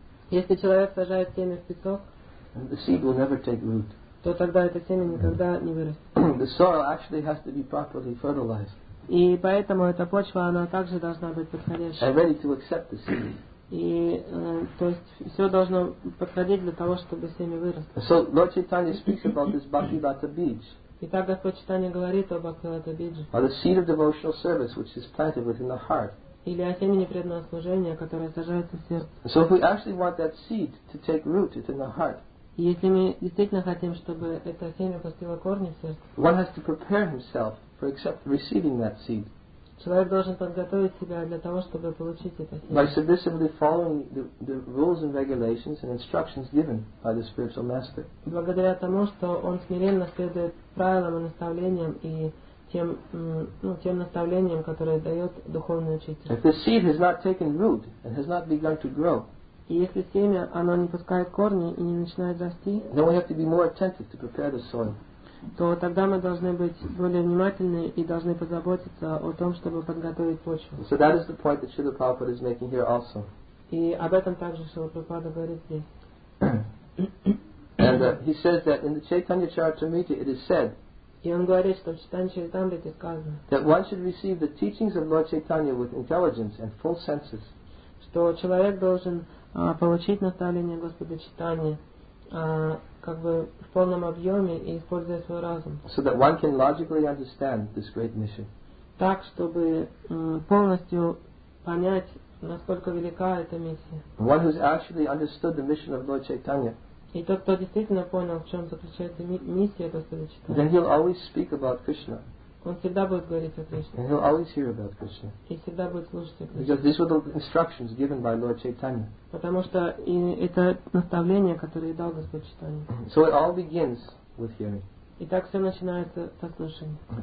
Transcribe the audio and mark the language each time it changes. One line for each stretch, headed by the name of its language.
Russian: если человек сажает семя в песок,
English: the seed will never take root.
Russian: То тогда это семя никогда не вырастет.
English: The soil actually has to be properly fertilized.
Russian: И поэтому эта почва, она также должна быть подходящей.
English: And ready to accept the seed.
Russian: И то есть все должно подходить для того, чтобы семя выросло.
English: So Lord Chaitanya speaks about this Bhakti Lata Bij.
Russian: Итак, Господь Чайтанья говорит об Бхактилата Бидже.
English: Or the seed of devotional service, which is planted within the heart.
Russian: Или о семени преданного служения, которое сажается в сердце.
English: So if we actually want that seed to take root within the heart,
Russian: если мы действительно хотим, чтобы это семя пустило корни в сердце,
English: one has to prepare himself for receiving that seed.
Russian: Человек должен подготовить себя для того, чтобы получить это семя.
English: By submissively following the rules and regulations and instructions given by the spiritual master.
Russian: Благодаря тому, что он смиренно следует правилам и наставлениям и тем, тем наставлениям, которые дает духовный учитель.
English: If the seed has not taken root and has not begun to grow,
Russian: и если семя, оно не пускает корни и не начинает расти,
English: then we have to be more attentive to prepare the soil.
Russian: То тогда мы должны быть более внимательны и должны позаботиться о том, чтобы подготовить почву.
English: So that is the point that Srila Prabhupada is making here also.
Russian: И об этом также Srila Prabhupada говорит здесь.
English: And he says that in the Chaitanya Charitamrita it is said,
Russian: и он говорит, что в Чайтанья Чаритамрите сказано,
English: that one should receive the teachings of Lord Chaitanya with intelligence and full senses.
Russian: Что человек должен получить наставление Господа Чайтаньи, как бы в полном объеме и используя свой разум.
English: So that one can logically understand this great mission.
Russian: так, чтобы полностью понять, насколько велика эта миссия.
English: One who's actually understood the mission of Lord Chaitanya.
Russian: И тот, кто действительно понял, в чем заключается миссия Господа Чайтаньи.
English: Then he'll always speak about Krishna.
Russian: Он всегда будет говорить о Кришне.
English: And he'll always hear about Krishna.
Russian: И всегда будет слушать о Кришне.
English: Because these were the instructions given by Lord Chaitanya.
Russian: Потому что и это наставление, которое дал Господь Чайтанья.
English: So it all begins with hearing.
Russian: И так все начинается со слушания.